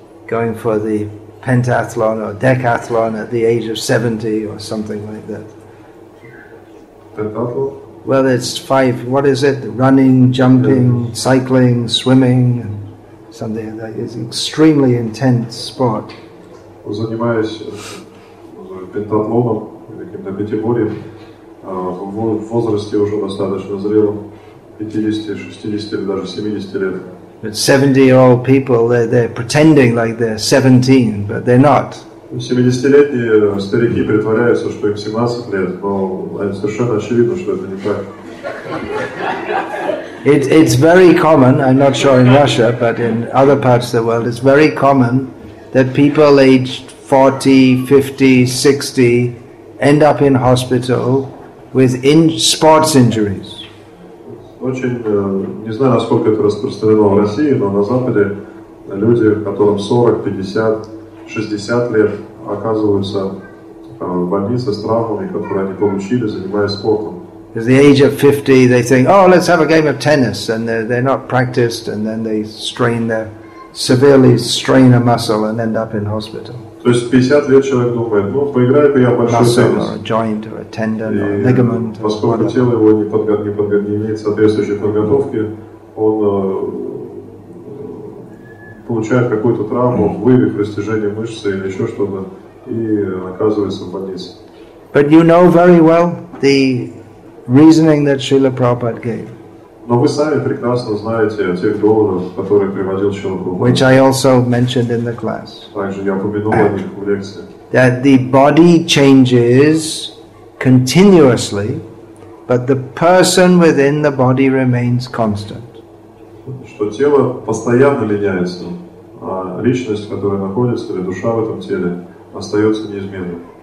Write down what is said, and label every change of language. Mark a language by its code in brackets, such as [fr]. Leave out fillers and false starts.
[en] Going for the pentathlon or decathlon at the age of 70 or something like that. Pentathlon? Well, it's five, what is it? Running, jumping, cycling, swimming, and something like that. It's an extremely intense sport. [ru] Занимаясь пентатлоном или каким-то пятиборьем, в возрасте уже достаточно зрелом, 50, 60 или даже 70 лет. [en] But 70-year-old people, they're pretending like they're 17, but they're not. [ru] 70-летние старики притворяются, что им 17 лет, но совершенно очевидно, что это не так. [en] It's very common, I'm not sure in Russia, but in other parts of the world, it's very common that people aged 40, 50, 60 end up in hospital with sports injuries. [ru] Очень, не знаю, насколько это распространено в России, но на Западе люди, которым 40, 50, 60 лет, оказываются в больнице с травмами, которые они получили, занимаясь спортом. [en] At the age of 50, they think, oh, let's have a game of tennis, and they're not practiced, and then they severely strain a muscle and end up in hospital. [ru] То есть 50 лет человек думает, ну, поиграю-ка я большой [en] muscle [ru] теннис. [en] Or a joint or a tendon or a ligament. [ru] Поскольку тело его не имеет соответствующей подготовки, он получает какую-то травму, вывих, растяжение мышцы или еще что-то, и оказывается в больнице. [en] But you know very well the reasoning that Srila Prabhupada gave. [ru] Но вы сами прекрасно знаете о тех доводах, которые приводил Шрила Прабхупада. [en] Which I also mentioned in the class. [ru] Также я упомянул о них в лекции. [en] That the body changes continuously, but the person within the body remains constant. [ru] Что тело постоянно меняется, а личность, которая находится, или душа в этом теле, остается неизменной.